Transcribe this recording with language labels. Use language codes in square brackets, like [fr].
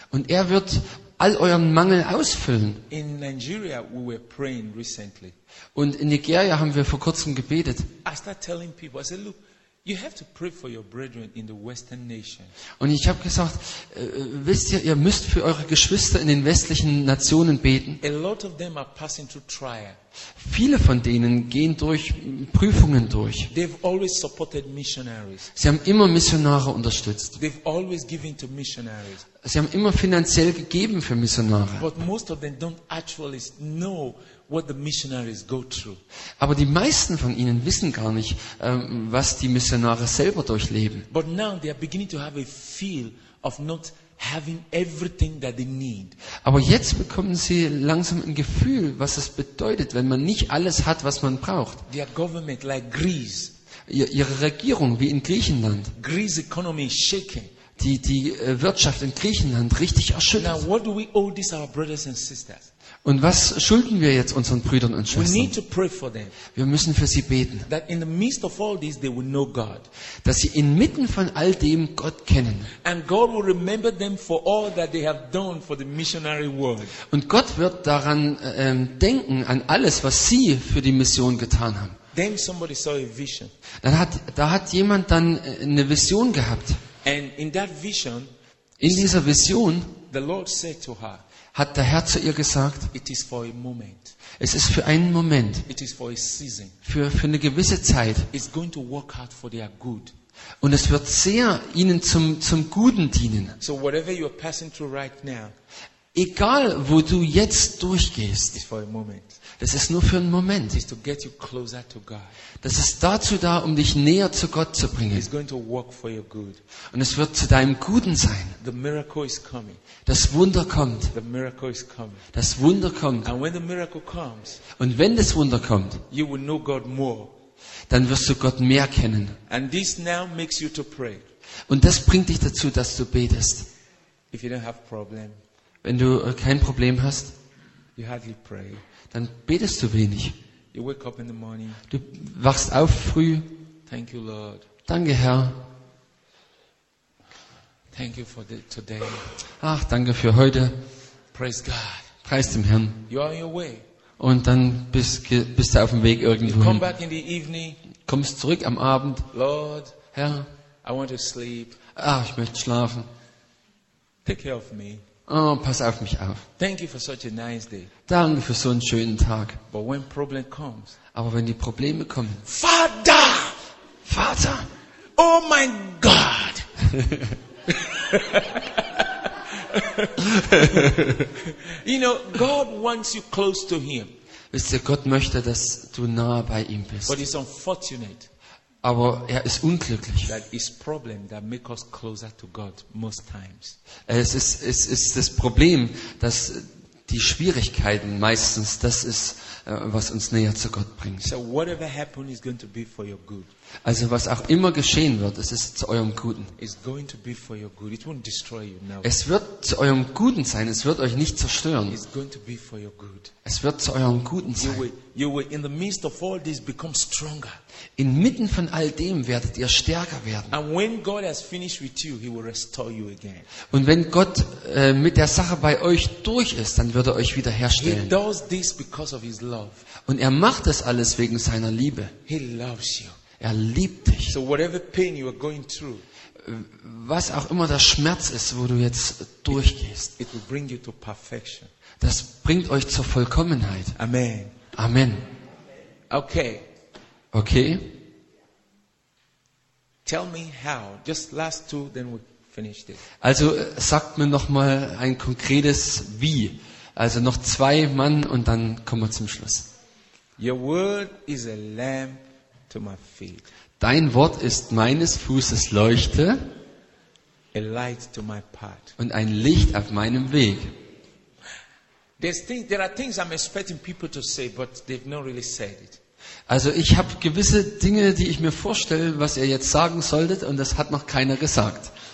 [de] Und er wird all euren Mangel ausfüllen. [en] In Nigeria, we were praying recently. [de] Und in Nigeria haben wir vor kurzem gebetet. [en] I started telling people, I said, look, you have to pray for your brethren in the Western nation. [de] Und ich habe gesagt, wisst ihr, ihr müsst für eure Geschwister in den westlichen Nationen beten. [en] A lot of them are passing through trial. [de] Viele von denen gehen durch Prüfungen durch. [en] They've always supported missionaries. [de] Sie haben immer Missionare unterstützt. [en] They've always given to missionaries. [de] Sie haben immer finanziell gegeben für Missionare. [en] But most of them don't actually know what the missionaries go through. [de] Aber die meisten von ihnen wissen gar nicht, was die Missionare selber durchleben. [en] But now they are beginning to have a feel of not having everything that they need. [de] Aber jetzt bekommen sie langsam ein Gefühl, was es bedeutet, wenn man nicht alles hat, was man braucht. [en] Their government, like Greece. [de] Ihre Regierung, wie in Griechenland. [en] Greece economy is shaking. [de] Die Wirtschaft in Griechenland richtig erschüttert. [en] Now, what do we owe this our brothers and sisters? [de] Und was schulden wir jetzt unseren Brüdern und Schwestern? [en] We need to pray for them. [de] Wir müssen für sie beten. [en] That in the midst of all this, they will know God. [de] Dass sie inmitten von all dem Gott kennen. [en] And God will remember them for all that they have done for the missionary world. [de] Und Gott wird daran denken an alles, was sie für die Mission getan haben. [en] Then somebody saw a vision. [de] Da hat jemand dann eine Vision gehabt. [en] And in that vision, [de] in dieser Vision, [en] the Lord said to her, [de] hat der Herr zu ihr gesagt, [en] it is for a moment. [de] Es ist für einen Moment, [en] it is for a season. [de] Für eine gewisse Zeit. [en] It's going to work out for their good. [de] Und es wird sehr ihnen zum Guten dienen. [en] So whatever you're passing through right now, [de] egal wo du jetzt durchgehst, [en] it's for a moment. [de] Das ist nur für einen Moment. [en] It's to get you closer to God. [de] Das ist dazu da, um dich näher zu Gott zu bringen. [en] It's going to work for your good. [de] Und es wird zu deinem Guten sein. [en] The miracle is coming. [de] Das Wunder kommt. [en] The miracle is coming. [de] Das Wunder kommt. [en] And when the miracle comes, [de] und wenn das Wunder kommt, [en] you will know God more. [de] Dann wirst du Gott mehr kennen. [en] And this now makes you to pray. [de] Und das bringt dich dazu, dass du betest. [en] If you don't have problem, [de] wenn du kein Problem hast, [en] you hardly pray. [de] Dann betest du wenig. [en] You wake up in the morning. [de] Du wachst auf früh. [en] Thank you, Lord. [de] Danke, Herr. [en] Thank you for today. [de] Ach, danke für heute. [en] Praise God. [de] Preist dem Herrn. [en] You are on your way. [de] Und dann bist du auf dem Weg irgendwo hin. [en] You come back in the evening. [de] Kommst zurück am Abend. [en] Lord, [de] Herr, [en] I want to sleep. [de] Ach, ich möchte schlafen. [en] Take care of me. [de] Oh, pass auf mich auf. [en] Thank you for such a nice day. [de] Danke für so einen schönen Tag. [en] But when problem comes, [de] aber wenn die Probleme kommen, Vater! Vater! Oh mein Gott! [en] You know, God wants you close to him. [de] Wisst ihr, Gott möchte, dass du nah bei ihm bist. [en] But it's unfortunate. [de] Aber er ist unglücklich. [en] That is problem that make us closer to God most times. [de] Es ist das Problem, dass die Schwierigkeiten meistens das ist, was uns näher zu Gott bringt. [en] So whatever happens is going to be for your good. [de] Also was auch immer geschehen wird, es ist zu eurem Guten. [en] It's going to be for your good. It won't destroy you now. [de] Es wird zu eurem Guten sein, es wird euch nicht zerstören. [en] It's going to be for your good. [de] Es wird zu eurem Guten sein. [en] You will in the midst of all this become stronger. [de] Inmitten von all dem werdet ihr stärker werden. [en] And when God has finished with you, he will restore you again. [de] Und wenn Gott mit der Sache bei euch durch ist, dann wird er euch wiederherstellen. [en] He does this because of his love. [de] Und er macht das alles wegen seiner Liebe. [en] He loves you. [de] Er liebt dich. [en] So whatever pain you are going through, [de] was auch immer der Schmerz ist, wo du jetzt durchgehst, [en] it will bring you to perfection. [de] Das bringt euch zur Vollkommenheit. Amen. Amen. Okay. Okay. [en] Tell me how. Just last two, then we finish this. [de] Also sagt mir noch mal ein konkretes Wie. Also noch zwei Mann und dann kommen wir zum Schluss. [en] Your word is a lamp. To my feet. [de] Dein Wort ist meines Fußes Leuchte, [en] a light to my path. [de] Und ein Licht auf meinem Weg. [en] There are things I'm expecting people to say, but they've not really said it. [de] Also ich habe gewisse Dinge, die ich mir vorstelle, was ihr jetzt sagen solltet, und das hat noch keiner gesagt.